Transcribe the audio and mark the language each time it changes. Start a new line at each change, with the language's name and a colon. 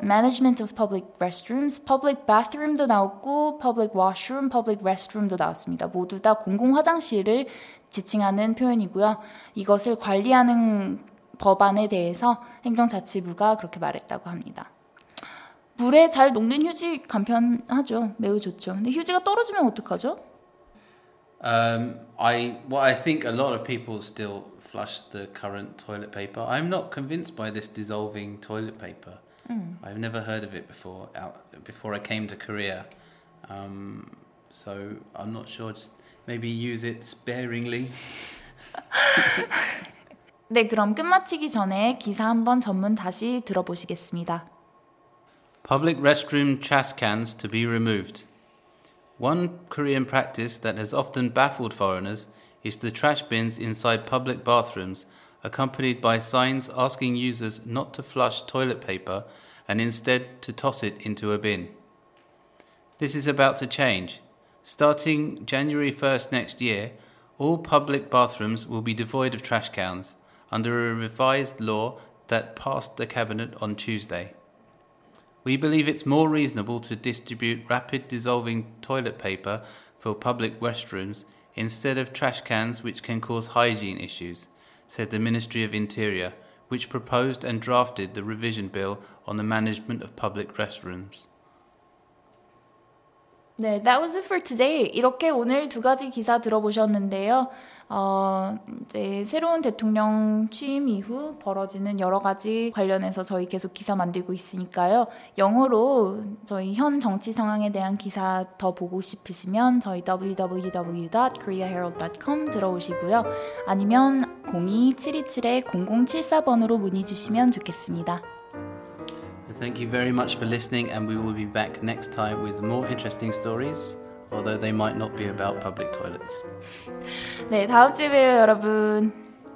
English: Management of public restrooms, public bathroom도
Korean: 나왔고
English: public washroom, public restroom도
Korean: 나왔습니다. 모두 다 공공 화장실을 지칭하는 표현이고요. 이것을 관리하는 법안에 대해서 행정자치부가 그렇게 말했다고 합니다. 물에 잘 녹는 휴지 간편하죠. 매우 좋죠. 근데 휴지가 떨어지면 어떡하죠?
English: I think a lot of people still flush the current toilet paper. I'm not convinced by this dissolving toilet paper. Mm. I've never heard of it before I came to Korea. So I'm not sure. Just maybe use it sparingly.
Korean: 네, 그럼 끝마치기 전에 기사 한번 전문 다시 들어보시겠습니다.
English: Public restroom trash cans to be removed. One Korean practice that has often baffled foreigners is the trash bins inside public bathrooms, accompanied by signs asking users not to flush toilet paper and instead to toss it into a bin. This is about to change. Starting January 1st next year, all public bathrooms will be devoid of trash cans under a revised law that passed the cabinet on Tuesday. We believe it's more reasonable to distribute rapid dissolving toilet paper for public restrooms instead of trash cans, which can cause hygiene issues, said the Ministry of Interior, which proposed and drafted the revision bill on the management of public restrooms. 네, that was it for today.
Korean: 이렇게 오늘 두 가지 기사 들어보셨는데요. 이제 새로운 대통령 취임 이후 벌어지는 여러 가지 관련해서 저희 계속 기사 만들고 있으니까요. 영어로 저희 현 정치 상황에 대한 기사 더 보고 싶으시면 저희 www.koreaherald.com 들어오시고요. 아니면 02-727-0074번으로 문의 주시면 좋겠습니다.
English: Thank you very much for listening, and we will be back next time with more interesting stories, although they might not be about public toilets.
Korean: 네, 다음 주에 봬요, 여러분.